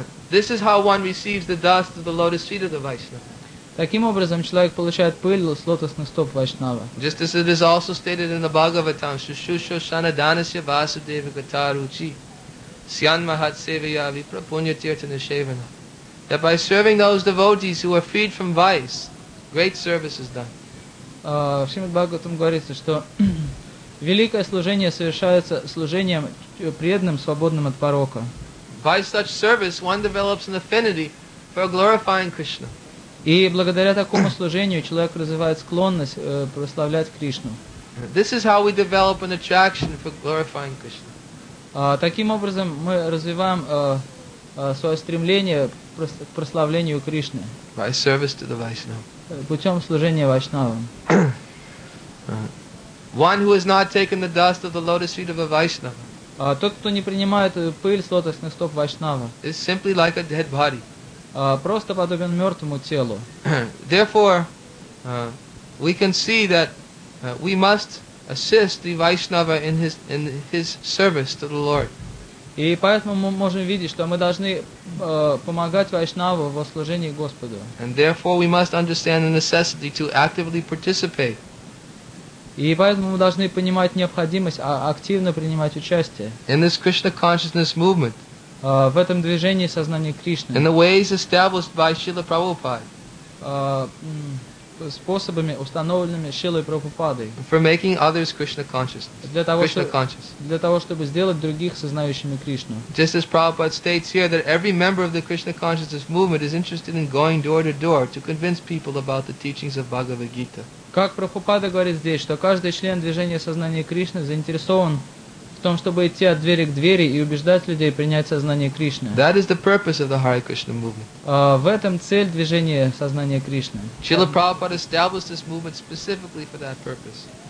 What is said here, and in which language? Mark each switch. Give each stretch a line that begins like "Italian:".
English: This is how one receives the dust of the lotus feet of the Vaishnava.
Russian: Таким образом человек получает пыль с лотосных стоп вайшнава.
English: Just as it is also stated in the Bhagavatam,
Sanskrit: Shushusho Shanadanasya Vasudeva Gataruchi, Sian Mahat Sevaya Viprapunya Tirtana Shevana.
English: That by serving those devotees who are freed from vice, great service is done.
Russian: В Шримад Бхагаватам говорится, что великое служение совершается служением преданным, свободным от порока.
English: By such service, one develops an affinity for glorifying Krishna.
Russian: И благодаря такому служению человек развивает склонность прославлять Кришну.
English: This is how we develop an attraction for glorifying Krishna.
Russian: Таким образом мы развиваем свое стремление к прославлению Кришны.
English: By service to the Vaishnava.
Russian: Путем служения вайшнавам.
English: One who has not taken the dust of the lotus feet of a Vaishnava.
Russian: Тот, кто не принимает пыль с лотосных стоп вайшнава.
English: Is simply like a dead body.
Russian: Просто подобен мертвому телу.
English: Therefore, we can see that we must assist the Vaishnava in his service to the Lord.
Russian: И поэтому мы можем видеть, что мы должны помогать вайшнаву во служении Господу.
English: And therefore we must understand the necessity to actively participate.
Russian: И поэтому мы должны понимать необходимость активно принимать участие.
English: In this Krishna consciousness movement.
Russian: В этом движении сознания Кришны.
English: In the ways established by Srila Prabhupada.
Russian: Способами, установленными Шилой Прабхупадой.
English: For making others Krishna conscious.
Russian: Для того, чтобы сделать других сознающими Кришну.
English: Just as Prabhupada states here that every member of the Krishna consciousness movement is interested in going door to door to convince people about the teachings of Bhagavad Gita.
Russian: Как Прабхупада говорит здесь, что каждый член движения сознания Кришны заинтересован в том, чтобы идти от двери к двери и убеждать людей принять сознание Кришны.
English: That is the purpose of the Hare Krishna movement.
Russian: В этом цель движения сознания Кришны.
English: Srila Prabhupada established this movement specifically for that purpose.